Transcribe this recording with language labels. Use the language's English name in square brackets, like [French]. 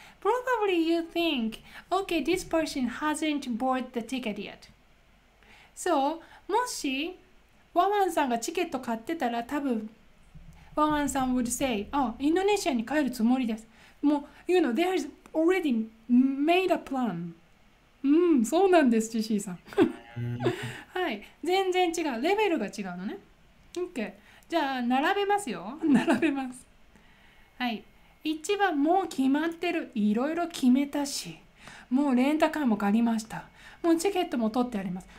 [English] Probably you think, okay, this person hasn't bought the ticket yet. [Japanese] So, もし、ワンワンさんがチケット買ってたら、多分、ワンワンさん [English] would say, [Japanese] インドネシアに帰るつもりです。 [English] もう、you know, there's already made a plan. [Japanese] そうなんです、ジェシーさん。はい。全然違う。レベルが違うのね。OK。じゃあ、並べますよ。並べます。はい。 1番、もう決まってる。いろいろ決めたし。もうレンタカーも借りました。もうチケットも取ってあります。